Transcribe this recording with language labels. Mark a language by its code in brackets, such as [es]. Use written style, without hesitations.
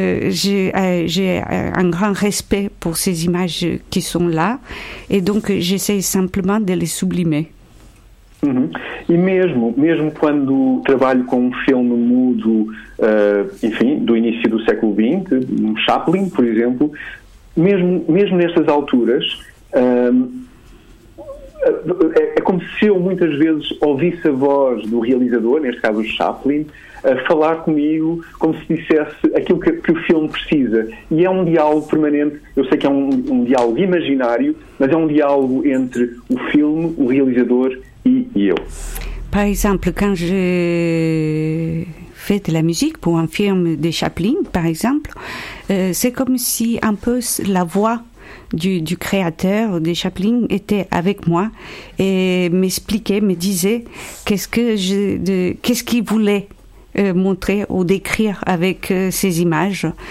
[fr] J'ai un grand respect pour ces images qui sont là et donc j'essaie simplement de les sublimer. [pt] E mesmo quando trabalho com um filme mudo, enfim, do início do século XX, um Chaplin, por exemplo, mesmo nestas alturas, é como se eu muitas vezes ouvisse a voz do realizador, neste caso o Chaplin, a falar comigo como se dissesse aquilo que o filme precisa. E é um diálogo permanente, eu sei que é um diálogo imaginário, mas é um diálogo entre o filme, o realizador e eu. [fr] Par exemple, quand j'ai fait de la musique pour un film de Chaplin, par exemple, c'est comme si un peu la voix du créateur de Chaplin était avec moi et m'expliquait, me disait qu'est-ce qu'il voulait montrer ou décrire avec ces images.